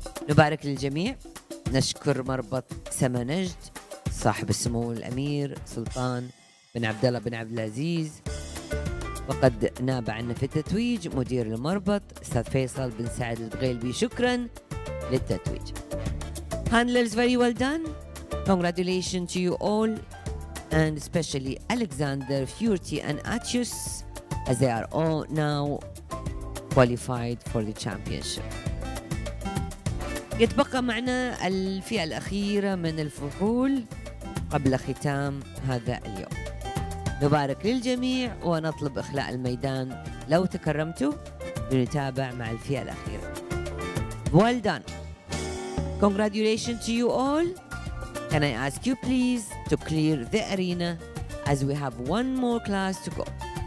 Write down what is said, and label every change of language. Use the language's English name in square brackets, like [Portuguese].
[Arabic] نبارك للجميع، نشكر مربط سما نجد صاحب السمو الامير سلطان بن عبد الله بن عبد العزيز، وقد ناب عنا في التتويج مدير المربط أستاذ فيصل بن سعد الدغيلبي. شكرا للتتويج. [English] Handlers very well done. Congratulations to you all and especially Alexander, Fiorti and Atius as they are all now qualified for the championship. [Arabic] يتبقى معنا الفئة الأخيرة من الفحول قبل ختام هذا اليوم. نبارك للجميع ونطلب إخلاء الميدان لو تكرمتوا لنتابع مع الفئة الأخيرة. [English] Well done. Congratulations to you all. Can I ask you please to clear the arena as we have one more class to go.